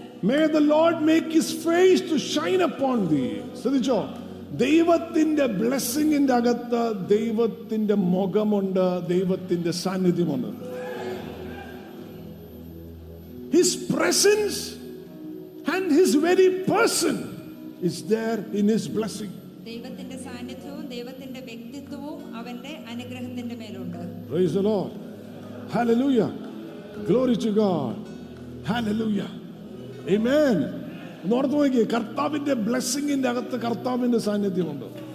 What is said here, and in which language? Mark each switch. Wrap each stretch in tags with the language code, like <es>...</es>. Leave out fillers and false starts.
<en>May the Lord make his face to shine upon thee. Sadicho.</en> <ml>ദൈവത്തിന്റെ ബ്ലെസ്സിംഗിന്റെ അകത്ത് ദൈവത്തിന്റെ മുഖമുണ്ട്, ദൈവത്തിന്റെ സാന്നിധ്യമുണ്ട്.</ml> <en>His presence and his very person is there in his blessing.</en> <ml>ദൈവത്തിന്റെ സാന്നിധ്യവും ദൈവത്തിന്റെ വ്യക്തിത്വവും അവന്റെ അനുഗ്രഹത്തിന്റെ മേലുണ്ട്.</ml> <en>Praise the Lord. Hallelujah. Glory to God. Hallelujah. Amen.</en> <ml>കർത്താവിന്റെ ബ്ലെസ്സിംഗിന്റെ അകത്ത് കർത്താവിന്റെ സാന്നിധ്യമുണ്ട്.</ml>